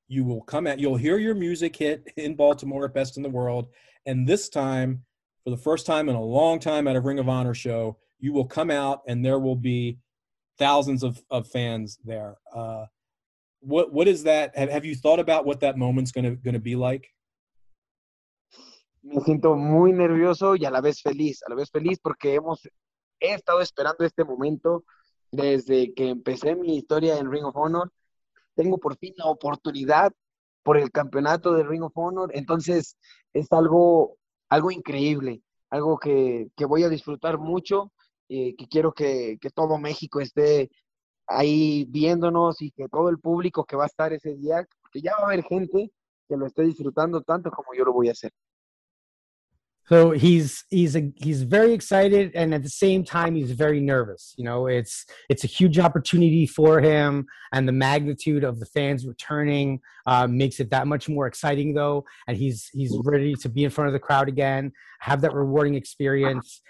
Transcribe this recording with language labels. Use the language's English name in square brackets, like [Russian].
[English] you will come at, you'll hear your music hit in Baltimore at Best in the World. And this time, for the first time in a long time at a Ring of Honor show, you will come out and there will be thousands of fans there. What is that? Have you thought about what that moment's gonna be like? [Spanish] Me siento muy nervioso y a la vez feliz porque he estado esperando este momento desde que empecé mi historia en Ring of Honor. Tengo por fin la oportunidad por el campeonato de Ring of Honor, entonces es algo increíble, algo que voy a disfrutar mucho y que quiero que todo México esté ahí viéndonos y que todo el público que va a estar ese día, que ya va a haber gente que lo esté disfrutando tanto como yo lo voy a hacer. [English] So he's very excited, and at the same time he's very nervous. You know, it's a huge opportunity for him, and the magnitude of the fans returning makes it that much more exciting though. And he's ready to be in front of the crowd again, have that rewarding experience.